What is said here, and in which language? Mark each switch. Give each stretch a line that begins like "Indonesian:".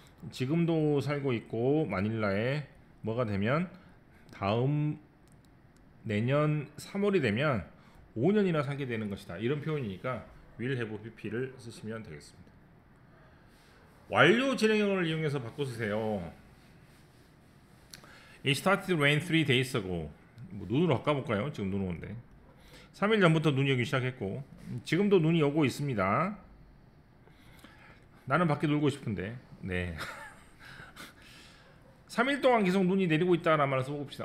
Korean: 지금도 살고 있고 마닐라에 뭐가 되면 다음 내년 3월이 되면 5년이나 살게 되는 것이다. 이런 표현이니까 will have BP를 쓰시면 되겠습니다. 완료 진행형을 이용해서 바꿔주세요.
English: It started to rain 3 days ago.
Korean: 뭐 눈으로 바꿔볼까요? 지금 눈 오는데. 3일 전부터 눈이 오기 시작했고 지금도 눈이 오고 있습니다. 나는 밖에 놀고 싶은데. 네. 3일 동안 계속 눈이 내리고 있다라는 말을 써봅시다.